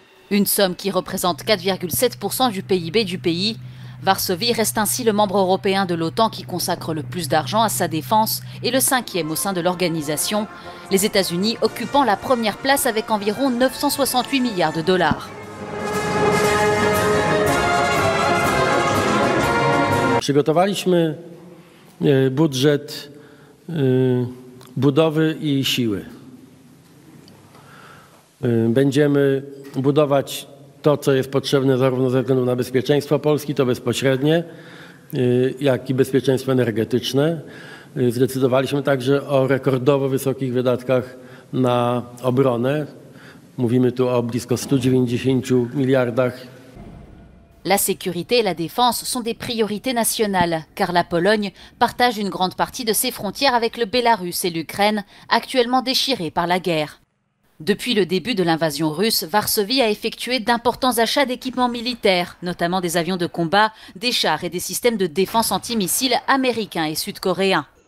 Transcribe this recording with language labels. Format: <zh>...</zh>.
<fr>Une somme qui représente 4,7% du PIB du pays. Varsovie reste ainsi le membre européen de l'OTAN qui consacre le plus d'argent à sa défense et le cinquième au sein de l'organisation. Les États-Unis occupant la première place avec environ 968 milliards de dollars.</fr> <pl>Przygotowaliśmy budżet budowy i siły. Będziemy budować to, co jest potrzebne zarówno ze względu na bezpieczeństwo Polski, to bezpośrednie, jak i bezpieczeństwo energetyczne. Zdecydowaliśmy także o rekordowo wysokich wydatkach na obronę. Mówimy tu o blisko 190 miliardach.</pl> <fr>La sécurité et la défense sont des priorités nationales, car la Pologne partage une grande partie de ses frontières avec le Bélarus et l'Ukraine, actuellement déchirées par la guerre. Depuis le début de l'invasion russe, Varsovie a effectué d'importants achats d'équipements militaires, notamment des avions de combat, des chars et des systèmes de défense antimissiles américains et sud-coréens.</fr>